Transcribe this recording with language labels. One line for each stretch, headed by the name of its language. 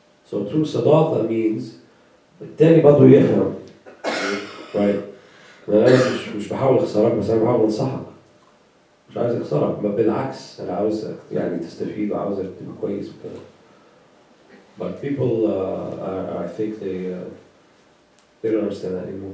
English: So true sadaqah means
Arabic: التاني برضو يفهم,
English: right?
Arabic: أنا مش بحاول أخسرك بس أنا بحاول أنصحك مش عايز أخسرك ما بالعكس أنا عاوز يعني تستفيد وعاوز تبقى كويس وكذا.
English: But people I think they don't understand that anymore.